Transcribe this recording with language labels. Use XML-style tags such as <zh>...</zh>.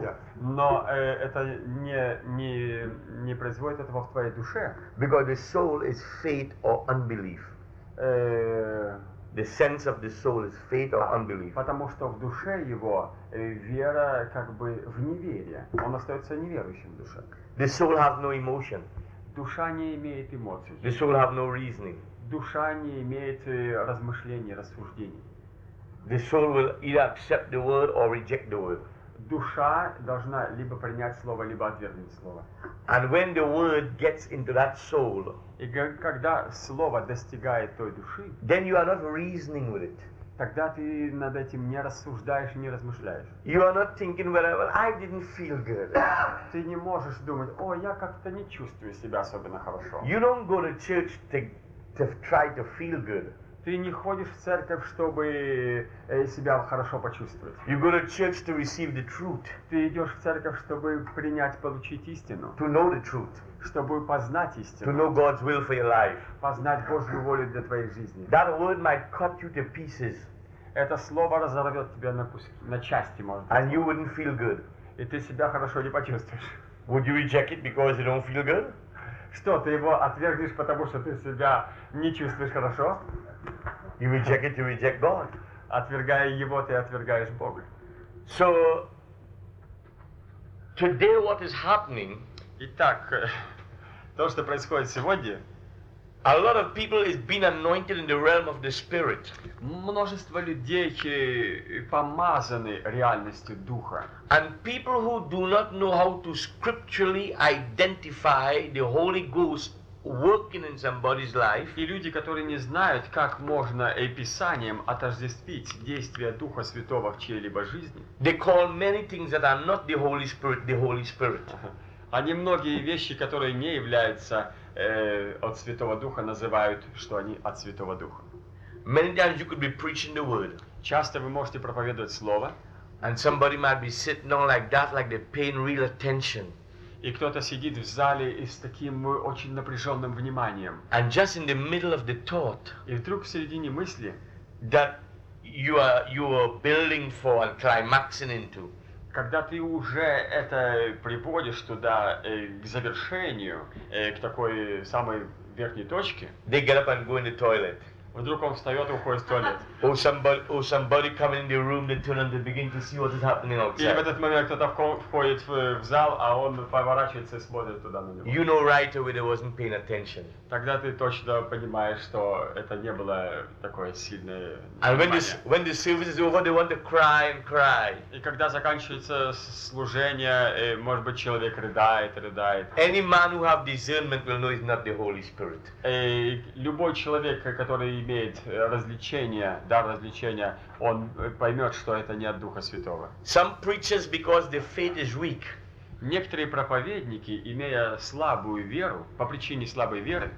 <en>Yeah.</en> <ru>Но это не производит этого в твоей душе.</ru> <en>Because the soul is faith or unbelief. The sense of the soul is faith or unbelief.</en> <ru>Потому что в душе его вера как бы в неверие. Он остается неверующим в душе.</ru> <en>The soul has no emotion.</en> <ru>Душа не имеет эмоций.</ru> <en>The soul has no reasoning.</en> <ru>Душа не имеет размышлений, рассуждений.</ru> <en>The soul will either accept the word or reject the word.</en> <ru>Душа должна либо принять слово, либо отвергнуть слово.</ru> <en>And when the word gets into that soul,</en> <ru>и когда слово достигает той души,</ru> <en>then you are not reasoning with it.</en> <ru>Тогда ты над этим не рассуждаешь, не размышляешь.</ru> <en>You are not thinking, well, I didn't feel good.</en> <ru>Ты не можешь думать, о, я как-то не чувствую себя особенно хорошо.</ru> <en>You don't go to church to try to feel good.</en> <ru>Ты не ходишь в церковь, чтобы себя хорошо почувствовать.</ru> <en>You go to church to receive the truth.</en> <ru>Ты идешь в церковь, чтобы принять, получить истину.</ru> <en>To know the truth.</en> <ru>Чтобы познать истину.</ru> <en>To know God's will for your life.</en> <ru>Познать Божью волю для твоей жизни.</ru> <en>That word might cut you to pieces.</en> <ru>Это слово разорвет тебя на куски, на части, может быть.</ru> <en>And you wouldn't feel good.</en> <ru>И ты себя хорошо не почувствуешь.</ru> <en>Would you reject it because you don't feel good?</en> <ru>Что, ты его отвергнешь, потому что ты себя не чувствуешь хорошо?</ru> <en>You reject it, you reject God.</en> <ru>Отвергая его, ты отвергаешь Бога.</ru> <en>So today what is happening?</en> <ru>Итак, то, что происходит сегодня,</ru> <en>a lot of people is being anointed in the realm of the spirit.</en> <ru>Множество людей помазаны реальностью духа.</ru> <en>And people who do not know how to scripturally identify the Holy Ghost working in somebody's life.</en> <ru>И люди, которые не знают, как можно описанием отождествить действия Духа Святого в чьей-либо жизни.</ru> <en>They call many things that are not the Holy Spirit the Holy Spirit.</en> <ru>Они многие вещи, которые не являются от Святого Духа, называют, что они от Святого Духа.</ru> <en>Many times you could be preaching the word.</en> <ru>Часто вы можете проповедовать слово.</ru> <en>And somebody might be sitting on like that, like they're paying real attention.</en> <ru>И кто-то сидит в зале и с таким очень напряженным вниманием.</ru> <en>And just in the middle of the thought,</en> <ru>и вдруг в середине мысли,</ru> <en>that you are building for and climaxing into,</en> <ru>когда ты уже это приводишь туда, к завершению, к такой самой верхней точке,</ru> <en>they get up and go in the toilet.</en> <ru>Вдруг он встает и уходит в туалет.</ru> <en>Or somebody coming in the room, they turn and they begin to see what is happening outside.</en> <ru>И в этот момент кто-то входит в зал, а он поворачивается и смотрит туда на него.</ru> <en>You know right away they wasn't paying attention.</en> <ru>Тогда ты точно понимаешь, что это не было такое сильное внимание.</ru> <en>And when the service is over, they want to cry and cry.</en> <ru>И когда заканчивается служение, может быть, человек рыдает.</ru> <en>Any man who have discernment will know it's not the Holy Spirit.</en> <ru>Любой человек, который имеет развлечение, дар развлечения, он поймет, что это не от Духа Святого.</ru> <en>Some preachers, because the faith is weak,</en> <ru>некоторые проповедники, имея слабую веру, по причине слабой веры,</ru>